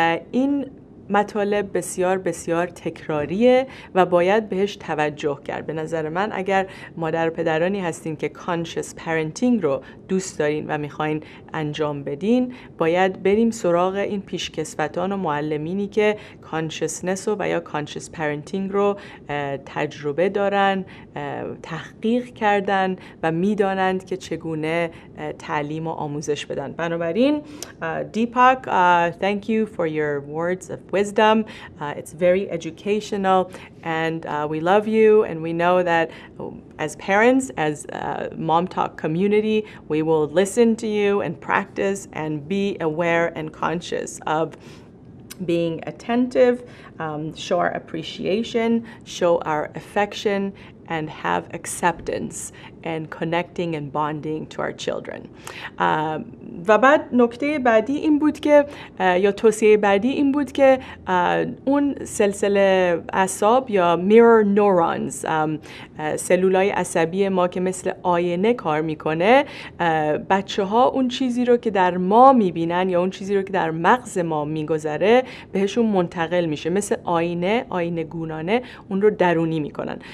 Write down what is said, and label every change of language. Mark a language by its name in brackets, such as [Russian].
[Persian] این مطالب بسیار بسیار تکراریه و باید بهش توجه کرد. به نظر من اگر مادر و پدرانی هستین که conscious parenting رو دوست دارین و میخواین انجام بدین، باید بریم سراغ این پیشکسوتان و معلمینی که consciousness و یا conscious parenting رو تجربه دارن، تحقیق کردن و میدانند که چگونه تعلیم و آموزش بدن. [English] بنابراین Deepak, thank you for your words of wisdom. It's very educational and we love you and we know that as parents, as Mom Talk community, we will listen to you and practice and be aware and conscious of being attentive, show our appreciation, show our affection and have acceptance and connecting and bonding to our children. [Persian] و بعد نکته بعدی این بود که یا توصیه بعدی این بود که اون سلسله اعصاب یا mirror neurons، سلولای عصبی ما که مثل آینه کار میکنه، بچه‌ها اون چیزی رو که در ما میبینن یا اون چیزی رو که در مغز ما میگذره بهشون منتقل میشه، مثل آینه، آینه گونانه اون رو درونی میکنن.